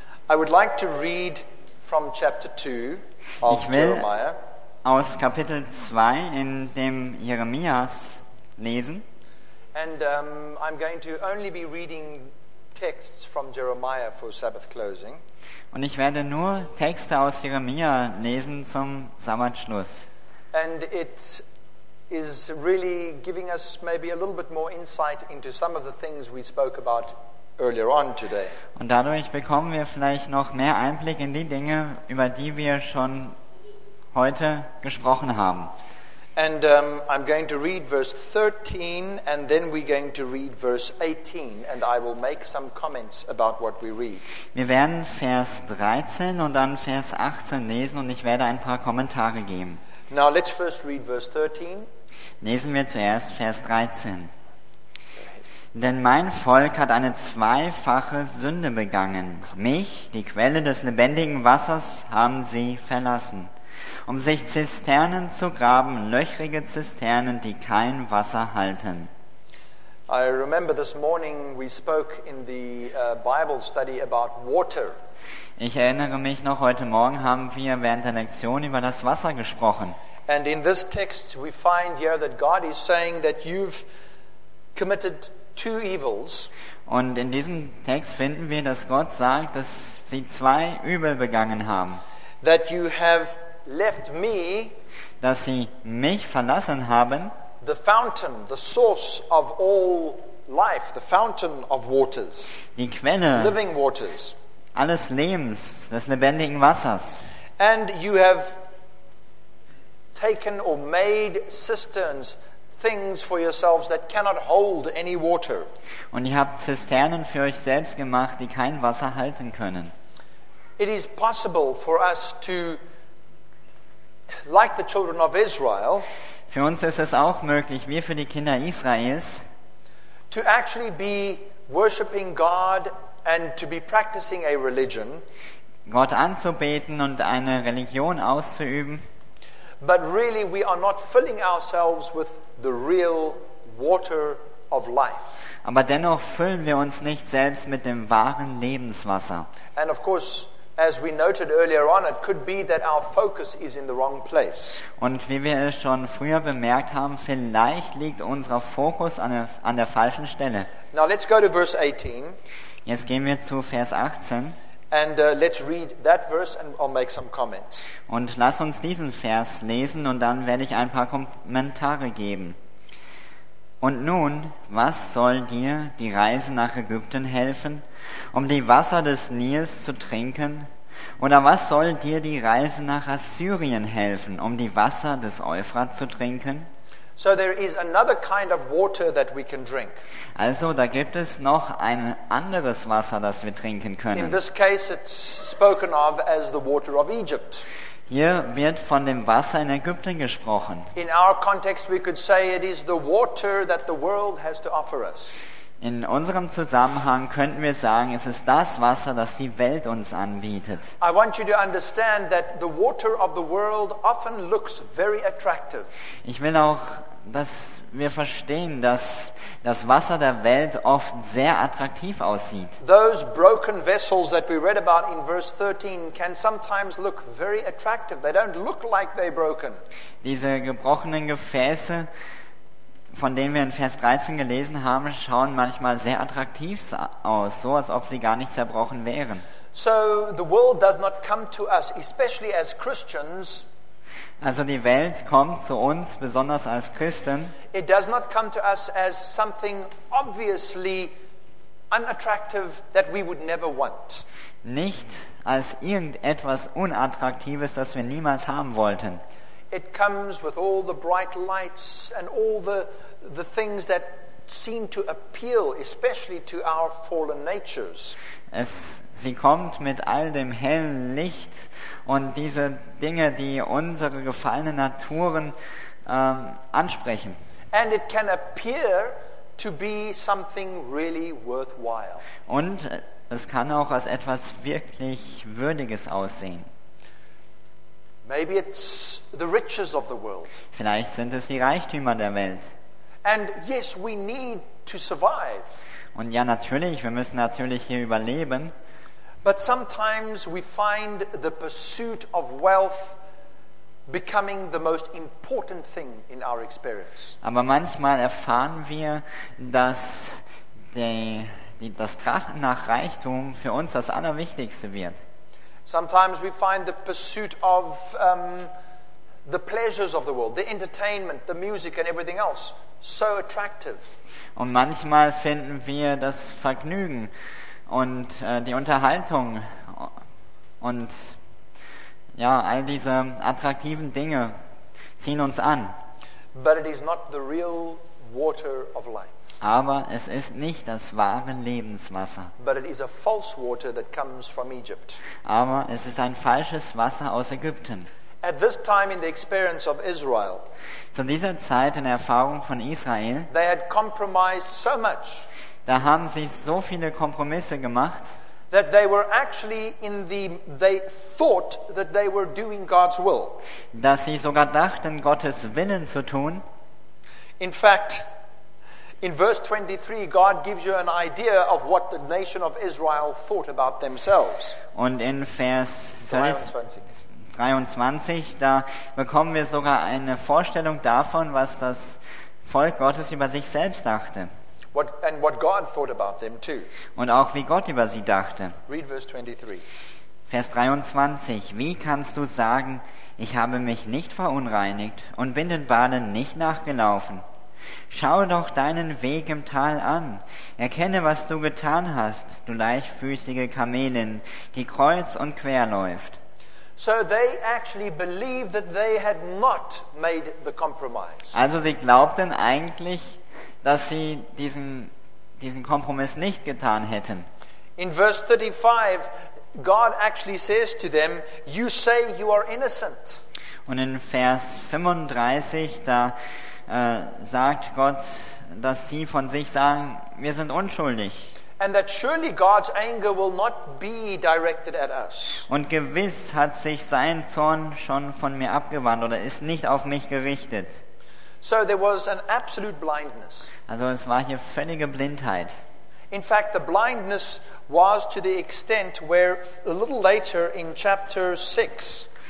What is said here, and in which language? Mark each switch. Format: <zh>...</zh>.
<en>I would like to read from chapter 2 of Jeremiah.</en> <de>Ich will aus Kapitel 2 in dem Jeremias lesen.</de> <en>And I'm going to only be reading texts from Jeremiah for Sabbath closing.</en> <de>Und ich werde nur Texte aus Jeremia lesen zum Sabbatschluss.</de> <en>And it is really giving us maybe a little bit more insight into some of the things we spoke about earlier on today.</en> <de>Und dadurch bekommen wir vielleicht noch mehr Einblick in die Dinge, über die wir schon heute gesprochen haben.</de> <en>And I'm going to read verse 13 and then we're going to read verse 18 and I will make some comments about what we read.</en> <de>Wir werden Vers 13 und dann Vers 18 lesen und ich werde ein paar Kommentare geben.</de> <en>Now let's first read verse 13.</en> <de>Lesen wir zuerst Vers 13. Denn mein Volk hat eine zweifache Sünde begangen. Mich, die Quelle des lebendigen Wassers, haben sie verlassen. Um sich Zisternen zu graben, löchrige Zisternen, die kein Wasser halten.</de> <en>I remember this morning we spoke in the Bible study about water.</en> <de>Ich erinnere mich noch, heute Morgen haben wir während der Lektion über das Wasser gesprochen.</de> <en>And in this text we find here that God is saying that you've committed two evils.</en> <de>Und in diesem Text finden wir, dass Gott sagt, dass sie zwei Übel begangen haben.</de> <en>That you have left me,</en> <de>dass sie mich verlassen haben,</de> <en>the fountain, the source of all life, the fountain of waters,</en> <de>die Quelle,</de> <en>living waters,</en> <de>alles Lebens, des lebendigen Wassers,</de> <en>and you have taken or made cisterns, things for yourselves that cannot hold any water.</en> <de>Und ihr habt Zisternen für euch selbst gemacht, die kein Wasser halten können.</de> <en>It is possible for us to, like the children of Israel,</en> <de>für uns ist es auch möglich, wie für die Kinder Israels,</de> <en>to actually be worshiping God and to be practicing a religion,</en> <de>Gott anzubeten und eine Religion auszuüben,</de> <en>but really we are not filling ourselves with the real water of life.</en> <de>Aber dennoch füllen wir uns nicht selbst mit dem wahren Lebenswasser.</de> <en>And of course, as we noted earlier on, it could be that our focus is in the wrong place.</en> <de>Und wie wir es schon früher bemerkt haben, vielleicht liegt unser Fokus an der falschen Stelle.</de> <en>Now let's go to verse 18.</en> <de>Jetzt gehen wir zu Vers 18.</de> <en>And let's read that verse and I'll make some comments.</en> <de>Und lass uns diesen Vers lesen und dann werde ich ein paar Kommentare geben. Und nun, was soll dir die Reise nach Ägypten helfen, um die Wasser des Nils zu trinken? Oder was soll dir die Reise nach Assyrien helfen, um die Wasser des Euphrat zu trinken?</de> <en>So there is another kind of water that we can drink.</en> <de>Also, da gibt es noch ein anderes Wasser, das wir trinken können.</de> <en>In this case it's spoken of as the water of Egypt.</en> <de>Hier wird von dem Wasser in Ägypten gesprochen.</de> <en>In our context we could say it is the water that the world has to offer us.</en> <de>In unserem Zusammenhang könnten wir sagen, es ist das Wasser, das die Welt uns anbietet.</de> <en>I want you to understand that the water of the world often looks very attractive.</en> <de>Ich will auch, dass wir verstehen, dass das Wasser der Welt oft sehr attraktiv aussieht.</de> <en>Those broken vessels that we read about in verse 13 can sometimes look very attractive. They don't look like they're broken.</en> <de>Diese gebrochenen Gefäße, von denen wir in Vers 13 gelesen haben, schauen manchmal sehr attraktiv aus, so als ob sie gar nicht zerbrochen wären.</de> <en>So the world does not come to us, especially as Christians.</en> <de>Also die Welt kommt zu uns, besonders als Christen.</de> <en>It does not come to us as something obviously unattractive that we would never want.</en> <de>Nicht als irgendetwas Unattraktives, das wir niemals haben wollten.</de> <en>It comes with all the bright lights and all the things that seem to appeal, especially to our fallen natures.</en> <de>Sie kommt mit all dem hellen Licht und diese Dinge, die unsere gefallenen Naturen ansprechen.</de> <en>And it can appear to be something really worthwhile.</en> <de>Und es kann auch als etwas wirklich Würdiges aussehen.</de> <en>Maybe it's the riches of the world.</en> <de>Vielleicht sind es die Reichtümer der Welt.</de> <en>And yes, we need to survive.</en> <de>Und ja, natürlich, wir müssen natürlich hier überleben.</de> <en>But sometimes we find the pursuit of wealth becoming the most important thing in our experience.</en> <de>Aber manchmal erfahren wir, dass das Trachten nach Reichtum für uns das Allerwichtigste wird.</de> <en>Sometimes we find the pursuit of the pleasures of the world, the entertainment, the music and everything else so attractive.</en> <de>Und manchmal finden wir das Vergnügen und die Unterhaltung und ja, all diese attraktiven Dinge ziehen uns an.</de> <en>But it is not the real water of life.</en> <de>Aber es ist nicht das wahre Lebenswasser.</de> <en>But it is a false water that comes from Egypt.</en> <de>Aber es ist ein falsches Wasser aus Ägypten.</de> <en>At this time in the experience of Israel,</en> <de>zu dieser Zeit in der Erfahrung von Israel,</de> <en>they had compromised so much,</en> <de>da haben sie so viele Kompromisse gemacht,</de> <en>that they were actually they thought that they were doing God's will.</en> <de>Dass sie sogar dachten, Gottes Willen zu tun.</de> <en>In fact, in verse 23, God gives you an idea of what the nation of Israel thought about themselves.</en> <de>Und in Vers 23, da bekommen wir sogar eine Vorstellung davon, was das Volk Gottes über sich selbst dachte.</de> <en>What God thought about them too.</en> <de>Und auch wie Gott über sie dachte.</de> <en>Read verse 23.</en> <de>Vers 23. Wie kannst du sagen, ich habe mich nicht verunreinigt und bin den Baden nicht nachgelaufen? Schau doch deinen Weg im Tal an. Erkenne, was du getan hast, du leichtfüßige Kamelin, die kreuz und quer läuft.</de> <en>So they actually believed that they had not made the compromise.</en> <de>Also sie glaubten eigentlich, dass sie diesen Kompromiss nicht getan hätten.</de> <en>In verse 35, God actually says to them, "You say you are innocent."</en> <de>Und in Vers 35, da sagt Gott, dass sie von sich sagen, wir sind unschuldig.</de> <en>And that surely God's anger will not be directed at us.</en> <de>Und gewiss hat sich sein Zorn schon von mir abgewandt oder ist nicht auf mich gerichtet.</de> <en>So there was an absolute blindness.</en> <de>Also es war hier völlige Blindheit.</de> <en>In fact, the blindness was to the extent where a little later in chapter 6.</en>